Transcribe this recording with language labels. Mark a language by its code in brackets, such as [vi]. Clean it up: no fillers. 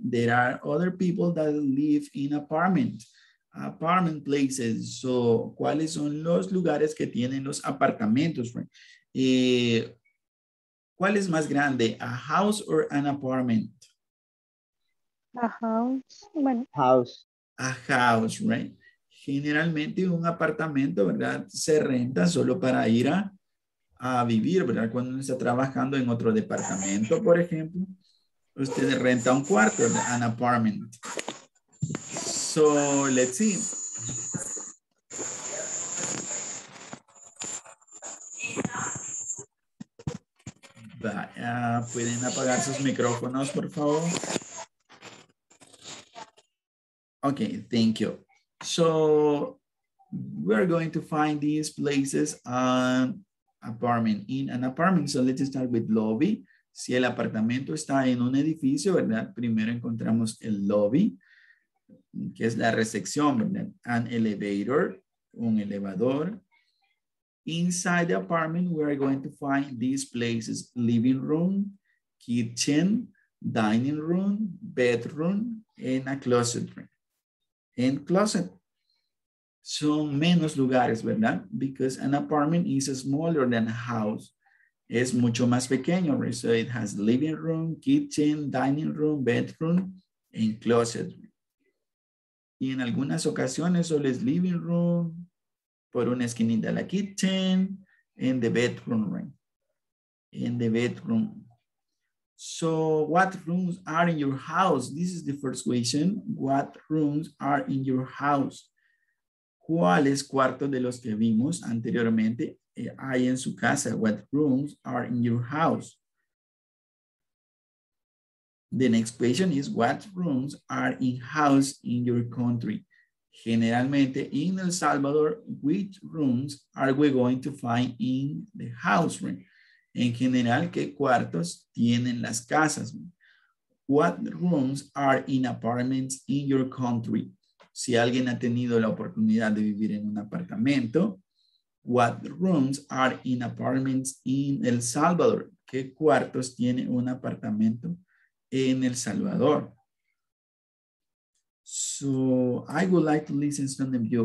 [en] There are other people that live in apartment places. [es] So, ¿cuáles son los lugares que tienen los apartamentos, right? ¿Cuál es más grande, [en] a house or an apartment? A house. Bueno. House. A house, right? [es] Generalmente un apartamento, ¿verdad? Se renta solo para ir a vivir, ¿verdad? Cuando uno está trabajando en otro departamento, por ejemplo, usted renta un cuarto, ¿verdad? [en] An apartment. So, let's see. [es] Vaya, ¿pueden apagar sus micrófonos, por favor? [en] Okay, thank you. So, we're going to find these places on apartment, in an apartment. So, let's start with lobby. [es] Si el apartamento está en un edificio, ¿verdad? Primero encontramos el lobby, que es la recepción, ¿verdad? [en] An elevator, [es] un elevador. [en] Inside the apartment, we're going to find these places. Living room, kitchen, dining room, bedroom, and a closet room. And closet. [es] Son menos lugares, ¿verdad? [en] Because an apartment is smaller than a house. [es] Es mucho más pequeño, [en] right? So it has living room, kitchen, dining room, bedroom, en closet. [es] Y en algunas ocasiones solo es living room, por una esquinita la kitchen, [en] in the bedroom room. In the bedroom. So what rooms are in your house? This is the first question. What rooms are in your house? [es] ¿Cuáles cuartos de los que vimos anteriormente hay en su casa? [en] What rooms are in your house? The next question is, what rooms are in house in your country? Generalmente, in El Salvador, which rooms are we going to find in the house room? [es] En general, ¿qué cuartos tienen las casas? [en] What rooms are in apartments in your country? [es] Si alguien ha tenido la oportunidad de vivir en un apartamento, [en] what rooms are in apartments in El Salvador? [es] ¿Qué cuartos tiene un apartamento en El Salvador? [en] So I would like to listen to some of you.